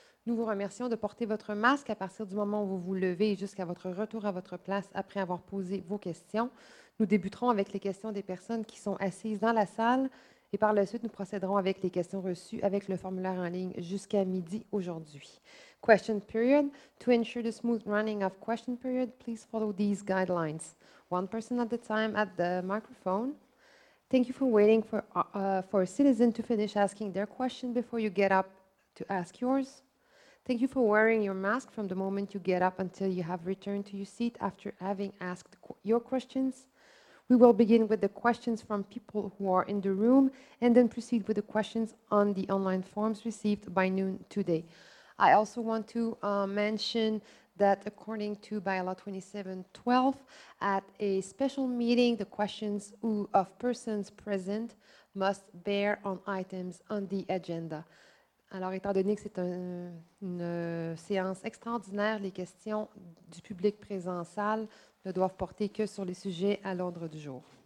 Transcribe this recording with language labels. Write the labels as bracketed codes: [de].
[fr] Nous vous remercions de porter votre masque à partir du moment où vous vous levez jusqu'à votre retour à votre place après avoir posé vos questions. Nous débuterons avec les questions des personnes qui sont assises dans la salle. Et par la suite, nous procéderons avec les questions reçues avec le formulaire en ligne jusqu'à midi aujourd'hui. [en] Question period. To ensure the smooth running of question period, please follow these guidelines. One person at a time at the microphone. Thank you for waiting for a citizen to finish asking their question before you get up to ask yours. Thank you for wearing your mask from the moment you get up until you have returned to your seat after having asked your questions. We will begin with the questions from people who are in the room and then proceed with the questions on the online forms received by noon today. I also want to mention that according to Bylaw 2712, at a special meeting, the questions of persons present must bear on items on the agenda. [fr] Alors, étant donné que c'est une séance extraordinaire, les questions du public présent en salle ne doivent porter que sur les sujets à l'ordre du jour.